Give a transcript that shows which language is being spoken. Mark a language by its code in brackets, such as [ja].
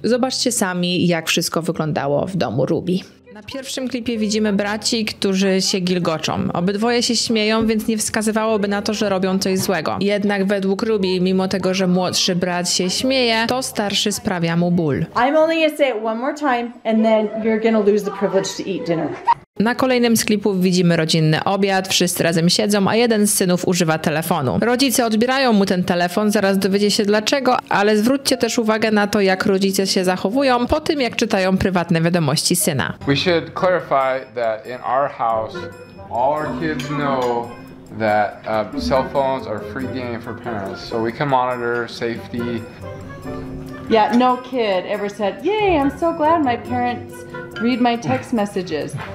[pl] Zobaczcie sami, jak wszystko wyglądało w domu Ruby. Na pierwszym klipie widzimy braci, którzy się gilgoczą. Obydwoje się śmieją, więc nie wskazywałoby na to, że robią coś złego. Jednak według Ruby, mimo tego, że młodszy brat się śmieje, to starszy sprawia mu ból. [en] I'm only gonna say it one more time and then you're gonna lose the privilege to eat dinner. [pl] Na kolejnym z klipów widzimy rodzinny obiad, wszyscy razem siedzą, a jeden z synów używa telefonu. Rodzice odbierają mu ten telefon, zaraz dowiecie się dlaczego, ale zwróćcie też uwagę na to, jak rodzice się zachowują po tym, jak czytają prywatne wiadomości syna. [en] We should clarify that in our house all our kids know that cell phones are free game for parents, so we can monitor safety. Yeah, no kid ever said, "Yay, I'm so glad my parents read my text messages."